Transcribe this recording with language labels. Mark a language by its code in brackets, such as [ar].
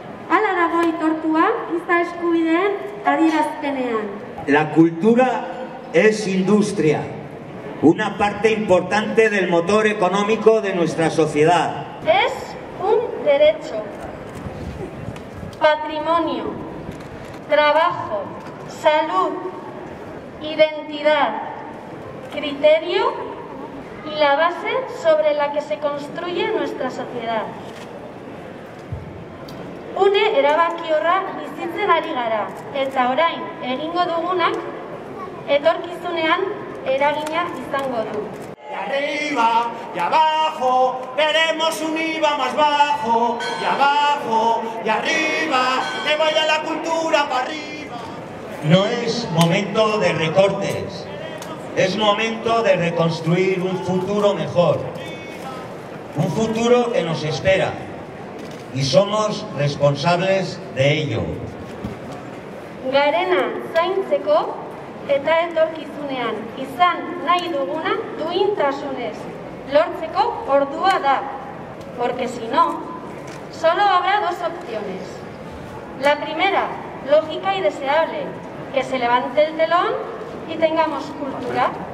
[eu] Hala dago aitortua, giza eskubideen adierazpenean. [es] La cultura es industria, una parte importante del motor económico de nuestra sociedad. Es un derecho, patrimonio, trabajo, salud, identidad, criterio y la base sobre la que se construye nuestra sociedad. [eu] Une erabakiorra bizitzen ari gara, eta orain egingo dugunak etorkizunean eragina izango du. [es] De arriba y abajo veremos un IVA más bajo, y abajo y arriba que vaya la cultura para arriba. No es momento de recortes, es momento de reconstruir un futuro mejor, un futuro que nos espera. Y somos responsables de ello. [eu] Garena zaintzeko eta etorkizunean izan nahi duguna duintasunez lortzeko ordua da. [es] Porque si no, solo habrá dos opciones. La primera, lógica y deseable, que se levante el telón y tengamos cultura.